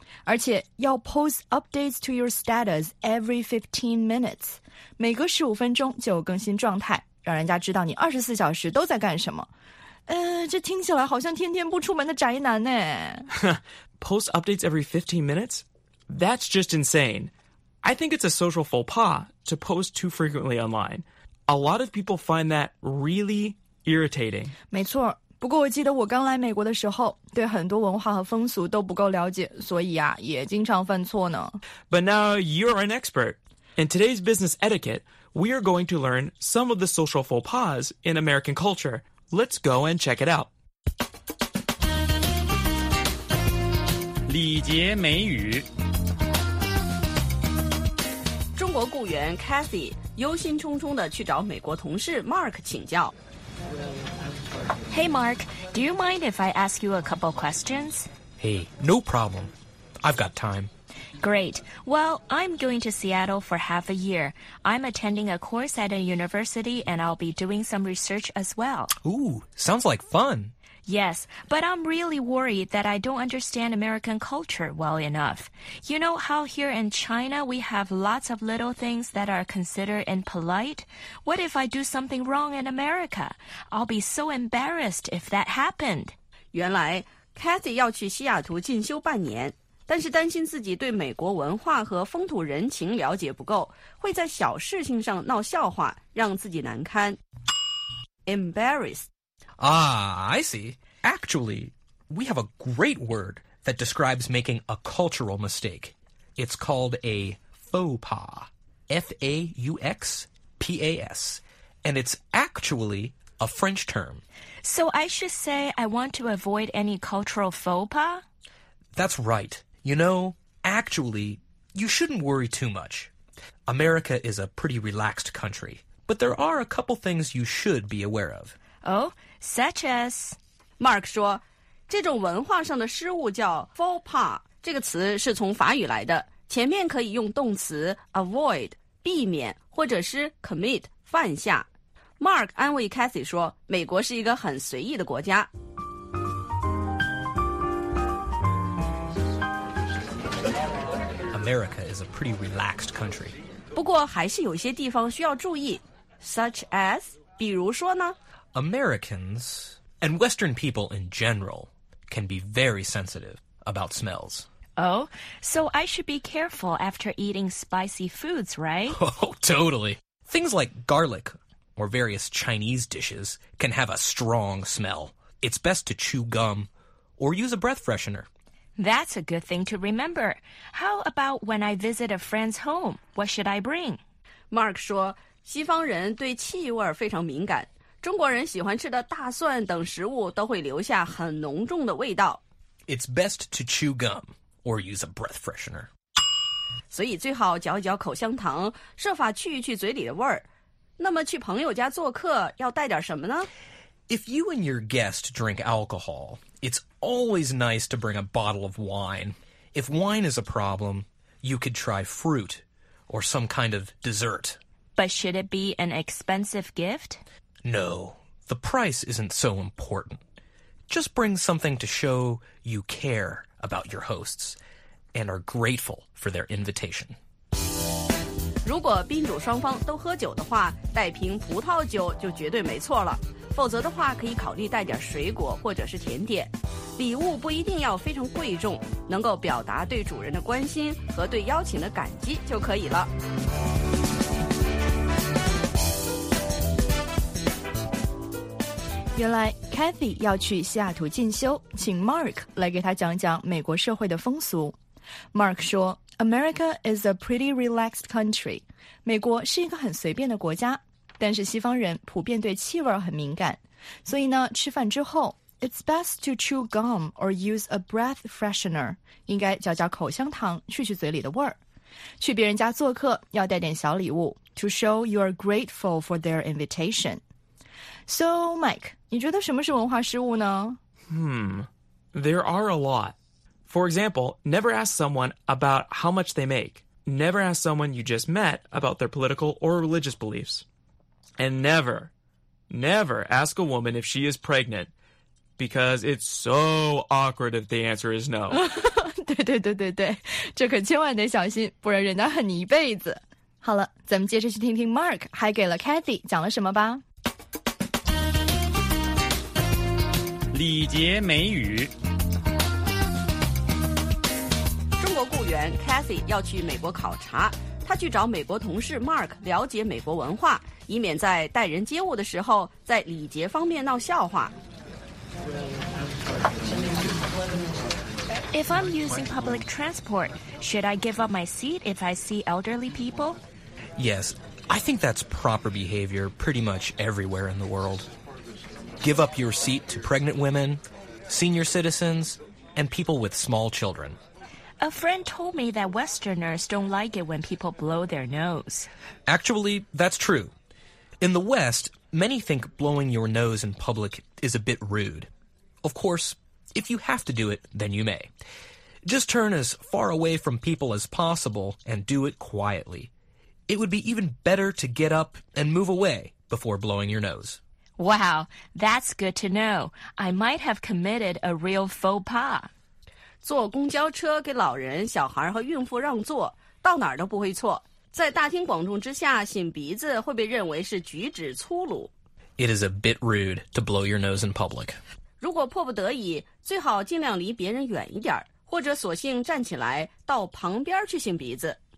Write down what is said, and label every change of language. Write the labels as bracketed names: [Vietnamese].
[Chinese] 而且要 [English] post updates to your status every 15 minutes， [Chinese] 每隔15分钟就更新状态，让人家知道你24小时都在干什么。这听起来好像天天不出门的宅男呢。 [English] Post updates every 15 minutes? That's just insane. I think it's a social faux pas to post too frequently online. A lot of people find that really irritating. [Chinese] 没错。不过我记得我刚来美国的时候，对很多文化和风俗都不够了解，所以啊，也经常犯错呢。 [English] But now you're an expert. In today's business etiquette, we are going to learn some of the social faux pas in American culture. Let's go and check it out. [Chinese] 礼节美语。中国雇员 Cathy 忧心忡忡地去找美国同事 Mark 请教。 [English] Hey, Mark, do you mind if I ask you a couple questions? Hey, no problem. I've got time. Great. Well, I'm going to Seattle for half a year. I'm attending a course at a university, and I'll be doing some research as well. Ooh, sounds like fun. Yes, but I'm really worried that I don't understand American culture well enough. You know how here in China we have lots of little things that are considered impolite? What if I do something wrong in America? I'll be so embarrassed if that happened. [Chinese] 原来 Cathy 要去西雅图进修半年，但是担心自己对美国文化和风土人情了解不够，会在小事情上闹笑话，让自己难堪。 [English] Embarrassed. Ah, I see. Actually, we have a great word that describes making a cultural mistake. It's called a faux pas. F-A-U-X-P-A-S. And it's actually a French term. So I should say I want to avoid any cultural faux pas? That's right. You know, actually, you shouldn't worry too much. America is a pretty relaxed country, but there are a couple things you should be aware of. Oh, such as... [Chinese] Mark 说，这种文化上的失误叫 faux pas, 这个词是从法语来的，前面可以用动词 avoid, 避免，或者是 commit, 犯下。 Mark 安慰 Cathy 说，美国是一个很随意的国家。 [English] America is a pretty relaxed country. [Chinese] 不过还是有些地方需要注意， [English] such as, [Chinese] 比如说呢？ [English] Americans, and Western people in general, can be very sensitive about smells. Oh, so I should be careful after eating spicy foods, right? Oh, totally. Things like garlic or various Chinese dishes can have a strong smell. It's best to chew gum or use a breath freshener. That's a good thing to remember. How about when I visit a friend's home? What should I bring? [Chinese] Mark 说，西方人对气味非常敏感。中国人喜欢吃的大蒜等食物都会留下很浓重的味道。 [English] It's best to chew gum or use a breath freshener. [Chinese] 所以最好嚼一嚼口香糖，设法去一去嘴里的味儿。那么去朋友家做客要带点什么呢？ [English] If you and your guest drink alcohol, it's always nice to bring a bottle of wine. If wine is a problem, you could try fruit or some kind of dessert. But should it be an expensive gift? No, the price isn't so important. Just bring something to show you care about your hosts and are grateful for their invitation. [Chinese] 如果宾主双方都喝酒的话，带瓶葡萄酒就绝对没错了。否则的话，可以考虑带点水果或者是甜点。礼物不一定要非常贵重，能够表达对主人的关心和对邀请的感激就可以了。原来 Cathy 要去西雅图进修，请 Mark 来给他讲讲美国社会的风俗。 [English] Mark [Chinese] 说 [English] ，America is a pretty relaxed country. [Chinese] 美国是一个很随便的国家，但是西方人普遍对气味很敏感，所以呢，吃饭之后 ， [English] it's best to chew gum or use a breath freshener. [Chinese] 应该嚼嚼口香糖，去去嘴里的味儿。去别人家做客要带点小礼物 [English] ，to show you are grateful for their invitation. So, [Chinese] Mike, 你觉得什么是文化失误呢？ [English] There are a lot. For example, never ask someone about how much they make. Never ask someone you just met about their political or religious beliefs. And never, never ask a woman if she is pregnant, because it's so awkward if the answer is no. [Chinese] 对对对对对，这可千万得小心，不然人家恨你一辈子。好了，咱们接着去听听 Mark 还给了 Cathy 讲了什么吧。礼节美语。中国雇员 Cathy 要去美国考察，他去找美国同事 Mark 了解美国文化，以免在待人接物的时候在礼节方面闹笑话。 [English] If I'm using public transport, should I give up my seat if I see elderly people? Yes, I think that's proper behavior pretty much everywhere in the world. Give up your seat to pregnant women, senior citizens, and people with small children. A friend told me that Westerners don't like it when people blow their nose. Actually, that's true. In the West, many think blowing your nose in public is a bit rude. Of course, if you have to do it, then you may. Just turn as far away from people as possible and do it quietly. It would be even better to get up and move away before blowing your nose. Wow, that's good to know. I might have committed a real faux pas. [Chinese] 坐公交车给老人、小孩和孕妇让座，到哪儿都不会错。在大庭广众之下擤鼻子会被认为是举止粗鲁。 [English] It is a bit rude to blow your nose in public. [Chinese] 如果迫不得已，最好尽量离别人远一点，或者索性站起来到旁边去擤鼻子。